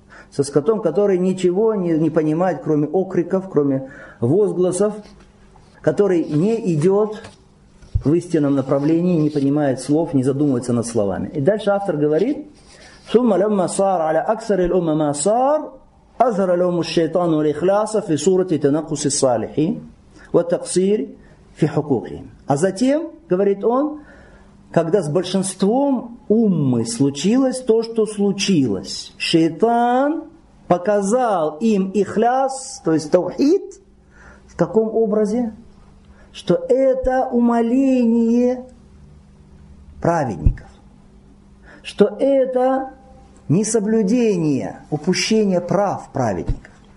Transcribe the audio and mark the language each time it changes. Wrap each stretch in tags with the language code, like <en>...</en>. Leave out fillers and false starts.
<ru>Со скотом, который ничего не понимает, кроме окриков, кроме возгласов, который не идет в истинном направлении, не понимает слов, не задумывается над словами. И дальше автор говорит,</ru> <ar>«Сумма лямма сар аля аксар иль умма сар». أظهر لهم الشيطان والإخلاص في صورة تنقص الصالحين والتقصير في حقوقهم.</ar> <ru>А затем, говорит он, когда с большинством уммы случилось то, что случилось, шайтан показал им ихляс, то есть таухид, в таком образе, что это умаление праведников, что это несоблюдение, упущение прав праведников.</ru>